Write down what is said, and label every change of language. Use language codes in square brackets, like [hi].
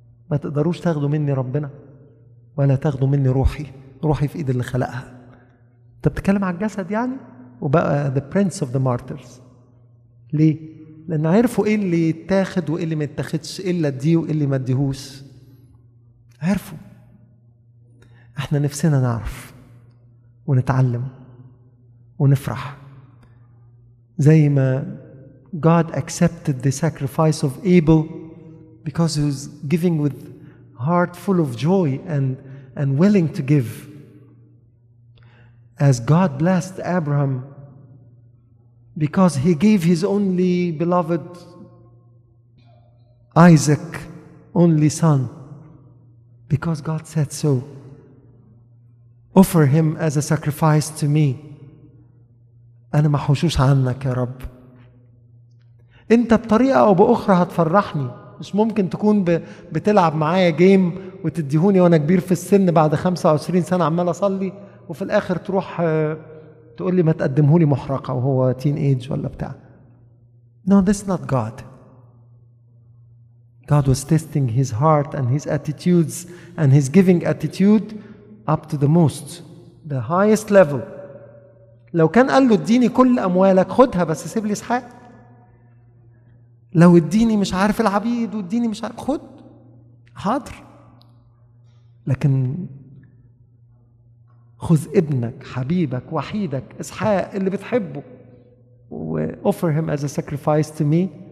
[ar] ما تقدروش تاخدوا مني ربنا ولا تاخدوا مني روحي، روحي في ايد اللي خلقها. انت بتتكلم عن الجسد يعني؟ وبقى [en] the prince of the martyrs. [ar] ليه؟ لان عرفوا ايه اللي يتاخد وايه اللي ما يتاخدش، ايه اللي اديه وايه اللي ما اديهوش. عرفوا. احنا نفسنا نعرف ونتعلم ونفرح، زي ما [en] God accepted the sacrifice of Abel because he was giving with heart full of joy and willing to give. As God blessed Abraham because he gave his only beloved Isaac, only son, because God said so. Offer him as a sacrifice to me. [ar] أنا ما حوشوش عنك يا رب. أنت بطريقة أو بأخرى هتفرحني. مش ممكن تكون بتلعب معايا جيم وتديهوني وأنا كبير في السن بعد 25 سنة عمال أصلي، وفي الآخر تروح تقول لي ما تقدمه لي محرقة وهو تين ايج ولا بتاع. [en] No, this not God. God was testing his heart and his attitudes and his giving attitude up to the most, the highest level. [ar] لو كان قال له اديني كل أموالك خدها بس سيب لي إسحاق، لو اديني مش عارف العبيد واديني مش عارف خد، حاضر، لكن خذ ابنك حبيبك وحيدك إسحاق اللي بتحبه و [en] offer him as a sacrifice to me.